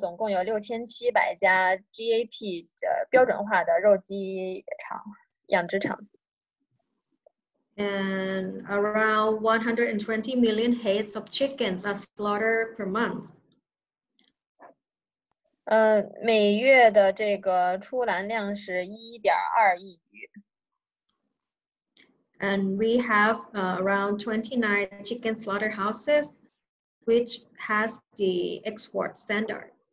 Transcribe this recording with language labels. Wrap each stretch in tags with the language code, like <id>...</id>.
<zh>我们来看一下泰国的生产情况。左边，泰国全国呢总共有6700家 GAP 标准化的肉鸡场养殖场。</zh> <en>And around 120 million heads of chickens are slaughtered per month.</en> <zh>每月的这个出栏量是 1.2亿余。</zh> <en>And we have around 29 chicken slaughterhouses, which has the export standard.</en>